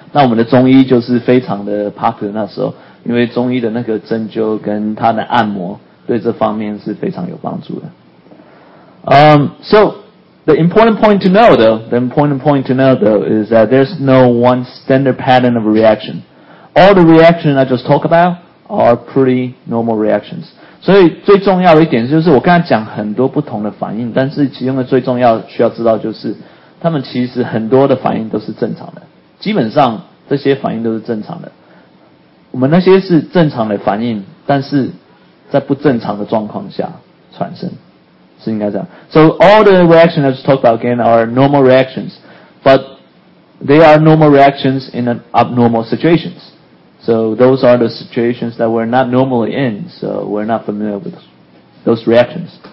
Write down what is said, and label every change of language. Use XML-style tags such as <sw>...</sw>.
<zh>那我们的中医就是非常的 popular 那时候，因为中医的那个针灸跟他的按摩对这方面是非常有帮助的。</zh> <en>So the important point to know though, is that there's no one standard pattern of reaction. All the reactions I just talked about are pretty normal reactions.</en> <zh>所以最重要的一点就是我刚才讲很多不同的反应，但是其中的最重要需要知道就是他们其实很多的反应都是正常的。基本上这些反应都是正常的。我们那些是正常的反应，但是在不正常的状况下产生，是应该这样。</zh> <en>So all the reactions I just talked about again are normal reactions, but they are normal reactions in an abnormal situations. So those are the situations that we're not normally in, so we're not familiar with those reactions.</en>